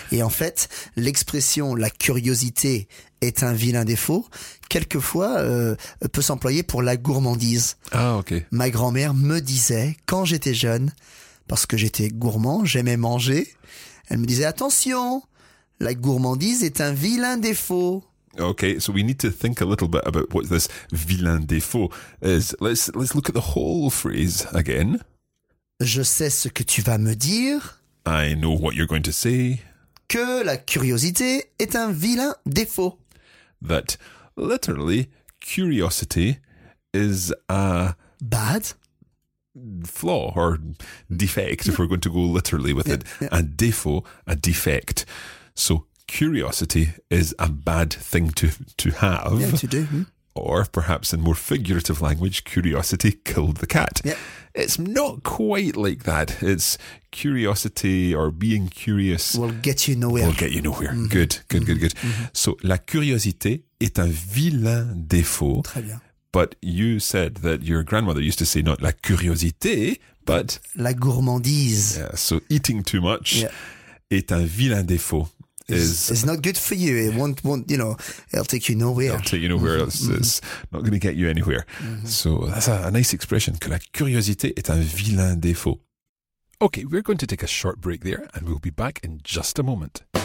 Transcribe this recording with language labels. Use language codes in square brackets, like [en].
[fr] et en fait, l'expression « la curiosité est un vilain défaut » quelquefois peut s'employer pour la gourmandise. Ah, ok. Ma grand-mère me disait, quand j'étais jeune, parce que j'étais gourmand, j'aimais manger, elle me disait « attention !» La gourmandise est un vilain défaut. [en] Okay, so we need to think a little bit about what this [fr] vilain défaut [en] is. Let's look at the whole phrase again. [fr] Je sais ce que tu vas me dire. [en] I know what you're going to say. [fr] Que la curiosité est un vilain défaut. [en] That literally, curiosity is a... Bad? Flaw or defect, if we're going to go literally with it. A défaut, a defect. So, curiosity is a bad thing to have. Yeah, to do. Hmm? Or, perhaps in more figurative language, curiosity killed the cat. Yeah. It's not quite like that. It's curiosity or being curious... Will get you nowhere. Will get you nowhere. Mm-hmm. Good. Mm-hmm. [fr] So, la curiosité est un vilain défaut. Très bien. [en] But you said that your grandmother used to say not [fr] la curiosité, [en] but... [fr] La gourmandise. [en] Yeah, so eating too much... Yeah. [fr] Est un vilain défaut. [en] It's not good for you. It won't, you know, it'll take you nowhere. It'll take you nowhere. Mm-hmm. It's not going to get you anywhere. Mm-hmm. So that's a nice expression, [fr] que la curiosité est un vilain défaut. [en] Okay, we're going to take a short break there and we'll be back in just a moment.